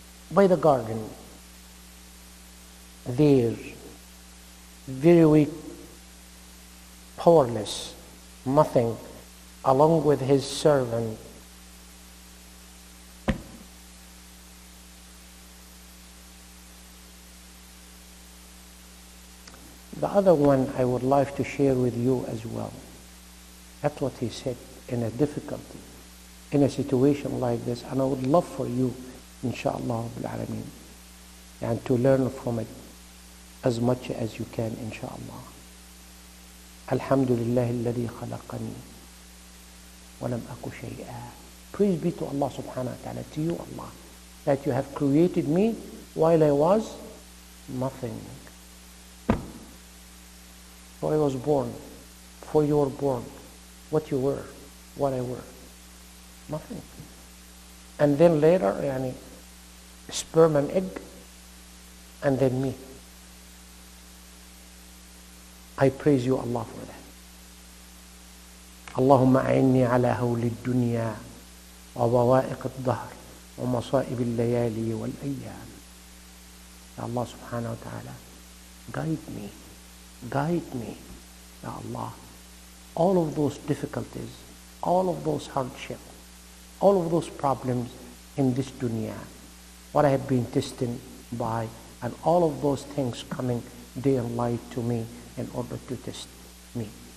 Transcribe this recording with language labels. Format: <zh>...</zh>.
<en>By the garden, there, very weak, powerless, nothing, along with his servant, the other one I would like to share with you as well. That's what he said in a difficulty, in a situation like this. And I would love for you, inshallah, and to learn from it as much as you can, inshallah.</en> <ar>Alhamdulillah, الذي خلقني ولم أكو شيئا.</ar> <en>Praise be to Allah subhanahu wa ta'ala, to you, Allah, that you have created me while I was nothing. Before I was born, before you were born, what you were, what I were, nothing. And then later, yani, sperm and egg, and then me. I praise you, Allah, for that.</en> <ar>اللهم أعني على هول الدنيا وبوائق الظهر ومصائب الليالي والأيام.</ar> <en>Allah subhanahu wa ta'ala, guide me, Ya Allah. All of those difficulties, all of those hardships, all of those problems in this dunya, what I have been tested by, and all of those things coming day and light to me in order to test me.</en>